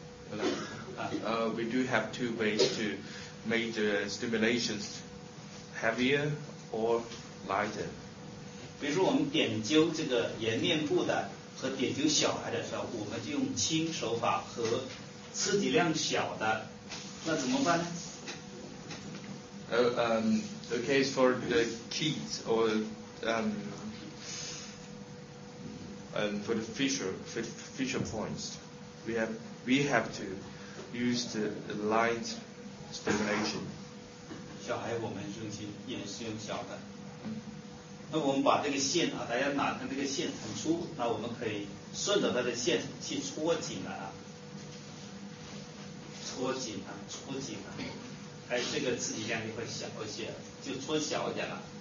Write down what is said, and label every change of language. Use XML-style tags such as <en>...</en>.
<en>We do have two ways to make the stimulations heavier or lighter.</en> <zh>比如说我们点灸这个颜面部的和点灸小孩的时候，我们就用轻手法和刺激量小的。那怎么办呢？</zh> <en>The case for the kids or for the fissure points, we have to use the light stimulation.</en> <zh>小孩我们用轻，也是用小的。那我们把这个线啊，大家拿它这个线很粗，那我们可以顺着它的线去戳紧了啊。搓紧啊，搓紧啊，哎，这个刺激量就会小一些，就搓小一点了。</zh>